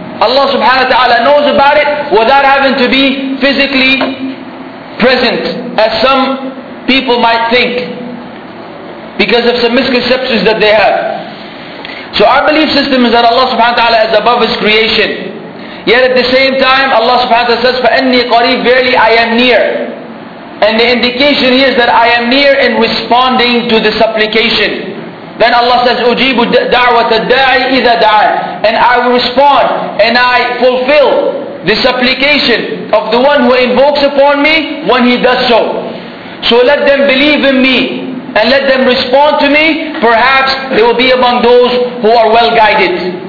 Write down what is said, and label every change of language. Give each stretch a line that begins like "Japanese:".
English: Allah subhanahu wa ta'ala knows about it without having to be physically present, as some people might think, because of some misconceptions that they have. So our belief system is that Allah subhanahu wa ta'ala is above His creation. Yet at the same time, Allah subhanahu wa ta'ala says, فَأَنِّي قَرِيبٌ verily I am near. And the indication here is that I am near in responding to the supplication.
Arabic: Then Allah says, أُجِيبُ دَعْوَةَ الدَّاعِ إِذَا دَعَى.
English: And I will respond and I fulfill the supplication of the one who invokes upon me when he does so. So let them believe in me and let them respond to me, perhaps they will be among those who are well guided.